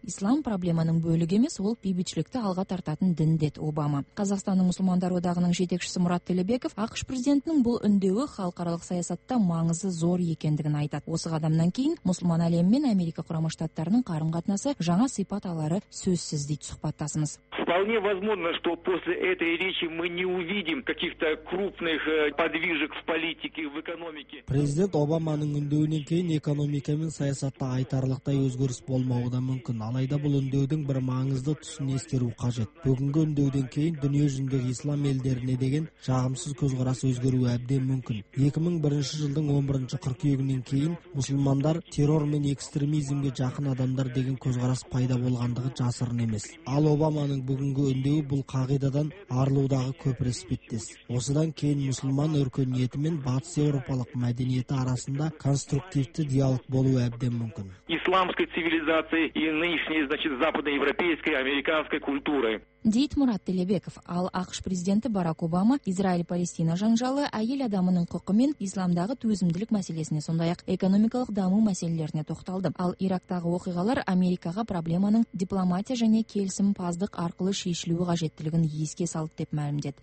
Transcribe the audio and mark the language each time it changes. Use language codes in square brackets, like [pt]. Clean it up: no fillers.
[kk] Ислам проблеманың бөлігі емес, ол бейбітшілікті алға тартатын дін деді Обама. Қазақстанның мұсылмандар одағының жетекшісі Мұрат Төлебеков ақш президентінің бұл үндеуі халықаралық саясатта маңызды зор екендігін айтады. Осы қадамнан кейін мұсылман әлемі мен Америка Құрама Штаттарының қарым-қатынасы жаңа сипат алары сөзсіз дейді сұхбаттасымыз. [ru] Вполне возможно, что после этой речи мы не увидим каких-то крупных подвижек в политике, в экономике. [kk] Президент Обаманың үндеуінен кейін экономика мен саясатта айтарлықтай өзгеріс болмауы да мүмкін. Алайда бұл үндеудің бір маңызды тұсын ескеру қажет. Бүгінгі үндеуден кейін дүние жүзіндегі ислам елдеріне деген жағымсыз көзқарас өзгеруі әбден мүмкін. 2001 жылдың 11 қыркүйегінен кейін мұсылмандар террор мен экстремизмге жақын адамдар деген көзқарас пайда болғандығы жасырын емес. Ал Обаманың бүгінгі үндеуі бұл қағидадан арылудағы көпірі іспеттес. Осыдан кейін мұсылман өркениеті мен батыс еуропалық мәдениеті арасында конструктивті диалог болуы әбден мүмкін. [ru] Исламской цивилизации и нынешней, значит, западноевропейской, американской культуры. [kk] Дейт Мұрат Телебеков, ал ақш президенті Барак Обама Израиль-Палестина жанжалы әйел адамының құқы мен исламдағы төзімділік мәселесіне сондай-ақ экономикалық даму мәселелеріне тоқталды. Ал Ирактағы оқиғалар Америкаға проблеманың дипломатия және келісімпаздық арқылы шешілуі қажеттілігін еске салды деп мәлімдеді.